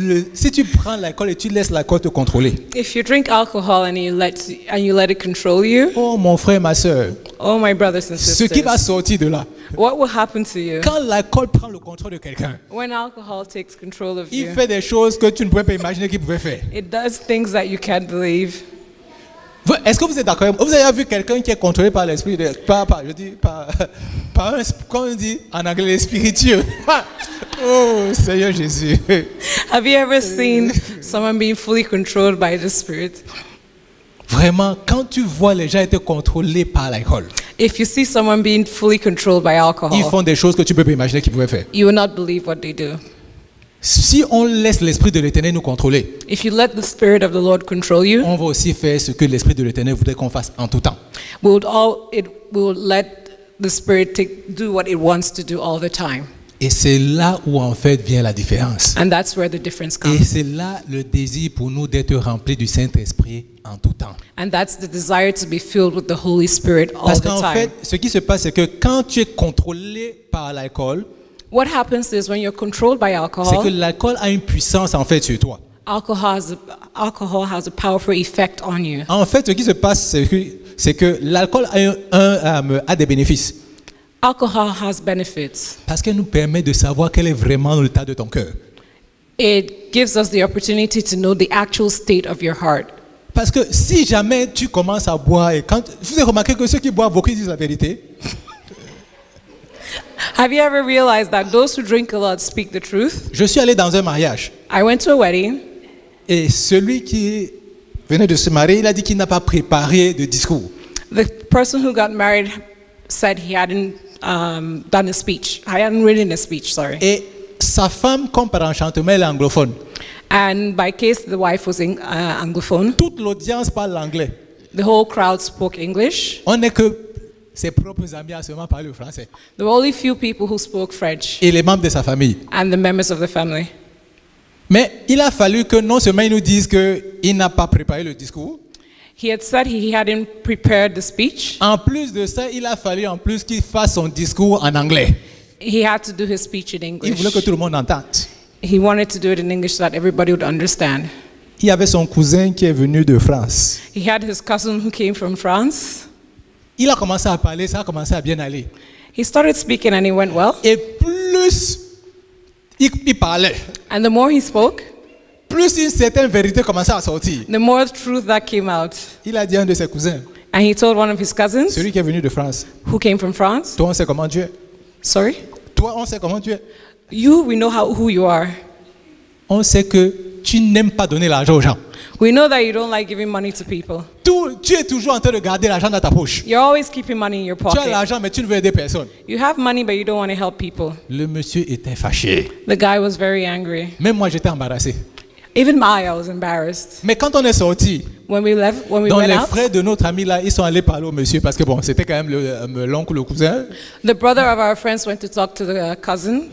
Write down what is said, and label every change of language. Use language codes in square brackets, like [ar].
[fr] Si tu prends l'alcool et tu laisses l'alcool te contrôler. [en] If you drink alcohol and you let it control you. [fr] Oh mon frère, ma sœur. [en] Oh my brothers and sisters. [fr] Ce qui va sortir de là. [en] What will happen to you? [fr] Quand l'alcool prend le contrôle de quelqu'un. [en] When alcohol takes control of [fr] il [en] you. [fr] Il fait des choses que tu ne pouvais pas imaginer qu'il pouvait faire. [en] It does things that you can't believe. [fr] Est-ce que vous êtes d'accord? Vous avez vu quelqu'un qui est contrôlé par l'esprit de comme on dit en anglais, spiritueux. Oh, Seigneur Jésus. [en] Have you ever seen someone being fully controlled by the Spirit? [fr] Vraiment, quand tu vois les gens être contrôlés par l'alcool. [en] If you see someone being fully controlled by alcohol. [fr] Ils font des choses que tu peux pas imaginer qu'ils pouvaient faire. [en] You will not believe what they do. [fr] Si on laisse l'Esprit de l'Éternel nous contrôler. [en] If you let the Spirit of the Lord control you. [fr] On va aussi faire ce que l'Esprit de l'Éternel voudrait qu'on fasse en tout temps. [en] The Spirit to do what it wants to do all the time. [fr] Et c'est là où en fait vient la différence. [en] And that's where the difference comes. [fr] Et c'est là le désir pour nous d'être remplis du Saint-Esprit en tout temps. [en] And that's the desire to be filled with the Holy Spirit all [fr] Parce [en] the time. [fr] Parce qu'en fait, ce qui se passe, c'est que quand tu es contrôlé par l'alcool, [en] what happens is when you're controlled by alcohol, [fr] c'est que l'alcool a une puissance en fait sur toi. [en] Alcohol has a powerful effect on you. [fr] En fait, ce qui se passe, c'est que l'alcool a des bénéfices. [en] Alcohol has benefits. [fr] Parce qu'elle nous permet de savoir quel est vraiment l'état de ton cœur. [en] It gives us the opportunity to know the actual state of your heart. [fr] Parce que si jamais tu commences à boire et quand vous avez remarqué que ceux qui boivent beaucoup disent la vérité. [en] Have you ever realized that those who drink a lot speak the truth? [fr] Je suis allé dans un mariage. [en] I went to a wedding. [fr] Et celui qui venait de se marier, il a dit qu'il n'a pas préparé de discours. [en] The person who got married said he hadn't done a speech. I hadn't written a speech, sorry. [fr] Et sa femme, comme par enchantement, elle est anglophone. [en] And by case, the wife was anglophone. [fr] Toute l'audience parle l'anglais. [en] The whole crowd spoke English. [fr] On n'est que ses propres amis à seulement parler le français. [en] There were only few people who spoke French. [fr] Et les membres de sa famille. [en] And the members of the family. [fr] Mais il a fallu que non seulement il nous dise que il n'a pas préparé le discours. [en] He had said he hadn't prepared the speech. [fr] En plus de ça, il a fallu en plus qu'il fasse son discours en anglais. [en] He had to do his speech in English. [fr] Il voulait que tout le monde entende. [en] He wanted to do it in English so that everybody would understand. [fr] Il avait son cousin qui est venu de France. [en] He had his cousin who came from France. [fr] Il a commencé à parler, ça a commencé à bien aller. [en] He started speaking and it went well. [fr] Et plus il parlait. [en] And the more he spoke, [fr] plus une certaine vérité commençait à sortir. [en] The more truth that came out. [fr] Il a dit à un de ses cousins. [en] And he told one of his cousins. [fr] Celui qui est venu de France. [en] Who came from France? [fr] Toi, on sait comment tu es. [en] Sorry? [fr] Toi, on sait comment tu es. [en] You, we know who you are. [fr] On sait que tu n'aimes pas donner l'argent aux gens. [en] We know that you don't like giving money to people. [fr] Tu es toujours en train de garder l'argent dans ta poche. [en] You're always keeping money in your pocket. [fr] Tu as l'argent mais tu ne veux aider personne. [en] You have money but you don't want to help people. [fr] Le monsieur était fâché. [en] The guy was very angry. [fr] Même moi j'étais embarrassé. [en] Even I was embarrassed. [fr] Mais quand on est sorti, [en] when we went out, [fr] de notre ami là, ils sont allés parler au monsieur parce que bon, c'était quand même l'oncle, le cousin. [en] The brother of our friends went to talk to the cousin.